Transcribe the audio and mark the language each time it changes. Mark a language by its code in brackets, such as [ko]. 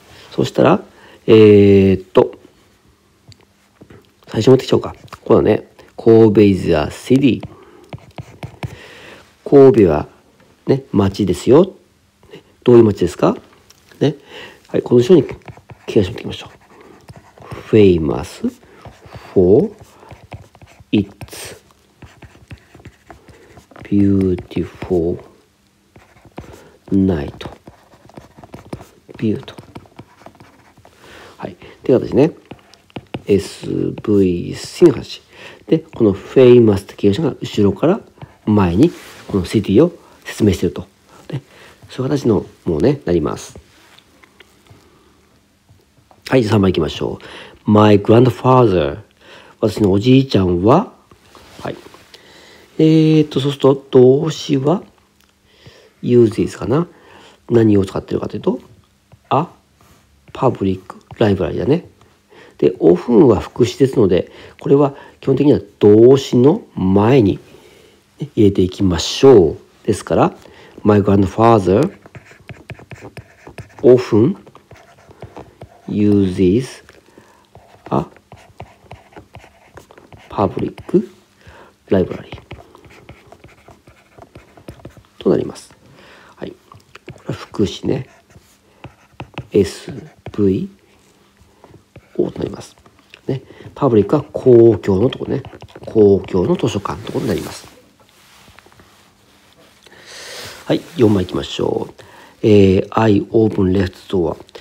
[ja] そしたら、最初持ってきちゃおうか。ここだね。神戸イズアシティ。神戸はね、町ですよ。どういう町ですか？ね。はい、この人に気がしていきましょう。 [en] famous for its beautiful night view と。 [ja] はい。で、私ね、SVC の話。で、この famous って気がしたのが後ろから前に、このシティを説明していると、ね、そういう形のものね、なります。はい、3番いきましょう。 [en] My grandfather、 [ja] 私のおじいちゃんは、はい、そうすると動詞は [en] uses [ja] かな。何を使ってるかというと [en] a public library [ja] だね。で、 often は副詞ですので、これは基本的には動詞の前に入れていきましょう。ですから [en] My grandfather often uses a public library [ja] となります。はい、これは副詞ね、 SVO となります。ね、パブリックは公共のとこね、公共の図書館のとこになります。はい、4番いきましょう。 [en] I open left door。